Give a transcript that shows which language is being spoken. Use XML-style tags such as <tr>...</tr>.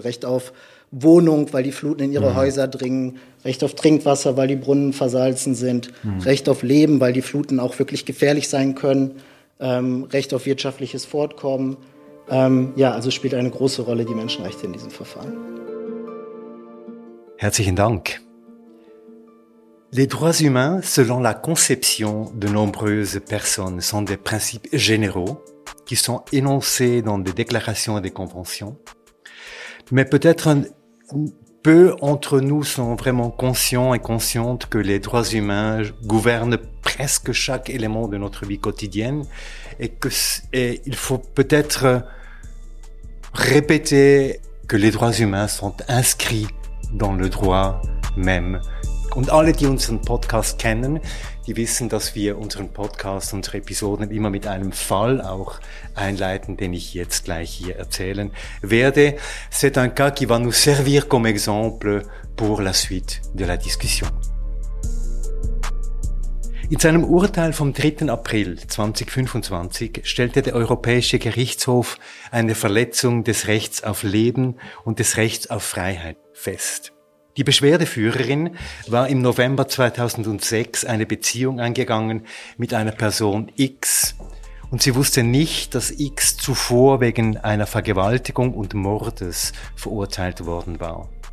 <de>Recht auf Wohnung, weil die Fluten in ihre Häuser dringen. Recht auf Trinkwasser, weil die Brunnen versalzen sind. Recht auf Leben, weil die Fluten auch wirklich gefährlich sein können. Recht auf wirtschaftliches Fortkommen. Also spielt eine große Rolle die Menschenrechte in diesem Verfahren. Herzlichen Dank.</de> <fr>Les droits humains, selon la conception de nombreuses personnes, sont des principes généraux qui sont énoncés dans des déclarations et des conventions. Mais peut-être peu entre nous sont vraiment conscients et conscientes que les droits humains gouvernent presque chaque élément de notre vie quotidienne et il faut peut-être répéter que les droits humains sont inscrits dans le droit même.</fr> <de>Und alle, die unseren Podcast kennen, die wissen, dass wir unseren Podcast, unsere Episoden immer mit einem Fall auch einleiten, den ich jetzt gleich hier erzählen werde.</de> <fr>C'est un cas qui va nous servir comme exemple pour la suite de la discussion.</fr> <de>In seinem Urteil vom 3. April 2025 stellte der Europäische Gerichtshof eine Verletzung des Rechts auf Leben und des Rechts auf Freiheit fest. Die Beschwerdeführerin war im November 2006 eine Beziehung eingegangen mit einer Person X, und sie wusste nicht, dass X zuvor wegen einer Vergewaltigung und Mordes verurteilt worden war.</de>